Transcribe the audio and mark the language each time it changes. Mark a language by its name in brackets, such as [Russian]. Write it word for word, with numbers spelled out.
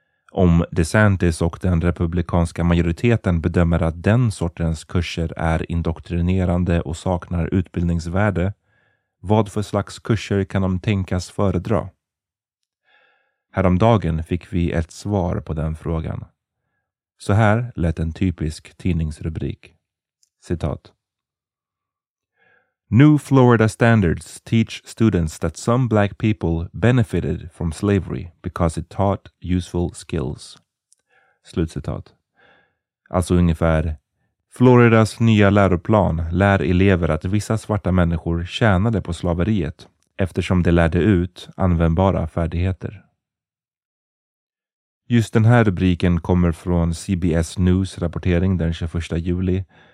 [Swedish] Om DeSantis och den republikanska majoriteten bedömer att den sortens kurser är indoktrinerande och saknar utbildningsvärde, vad för slags kurser kan de tänkas föredra? Häromdagen fick vi ett svar på den frågan. Så här lät en typisk tidningsrubrik. Citat. [English] New Florida standards teach students that some black people benefited from slavery because it taught useful skills. [Swedish] Slutcitat. Alltså ungefär: Floridas nya läroplan lär elever att vissa svarta människor tjänade på slaveriet eftersom de lärde ut användbara färdigheter. Just den här rubriken kommer från C B S News rapportering den tjugoförsta juli.